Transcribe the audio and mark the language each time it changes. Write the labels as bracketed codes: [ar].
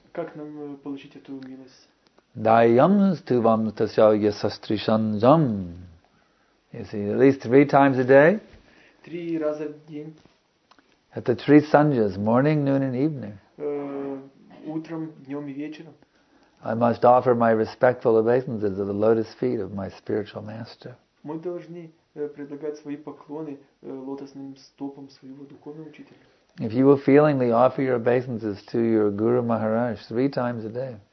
[ru] Как нам получить эту милость? Дайямсту вам тасья ясастришанжам. [en] You see, at least three times a day. [ru] Три раза в день. [en] At the three sanjas, morning, noon, and evening. [ru] Утром, днем и вечером. [en] I must offer my respectful obeisances at the lotus feet of my spiritual master. [ru] Мы должны предлагать свои поклоны лотосным стопам своего духовного учителя. [en] If you will feelingly offer your obeisances to your Guru Maharaj three times a day,